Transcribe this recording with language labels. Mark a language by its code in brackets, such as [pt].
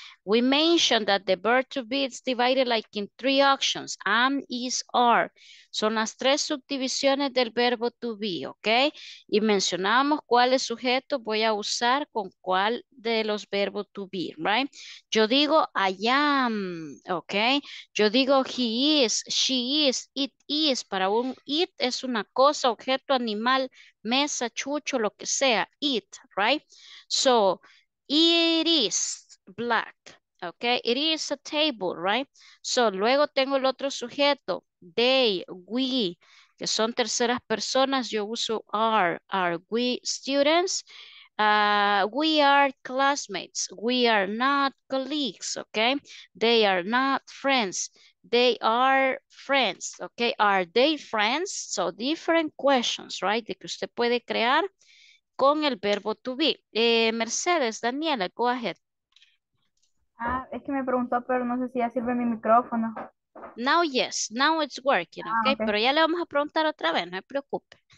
[en] We mentioned that the verb to be is divided like in three options, am, is, are. [es] Son las tres subdivisiones del verbo to be, ¿ok? Y mencionamos cuáles sujetos voy a usar con cuál de los verbos to be, ¿right? Yo digo [en] I am, ¿ok? Yo digo he is, she is, it is. [es] Para un it es una cosa, objeto, animal, mesa, chucho, lo que sea, it, ¿right? [en] So, it is black, okay, it is a table, right? So, luego tengo el otro sujeto, they, we, [es] que son terceras personas, yo uso [en] are we students, we are classmates, we are not colleagues, okay, they are not friends, they are friends, okay, are they friends? So, different questions, right, [es] de que usted puede crear con el verbo [en] to be. Mercedes, Daniela, go ahead. [es] Ah, es que me preguntó, pero no sé si ya sirve mi micrófono. [en] Now yes, now it's working, okay? Okay. [es] Pero ya le vamos a preguntar otra vez, no se preocupe.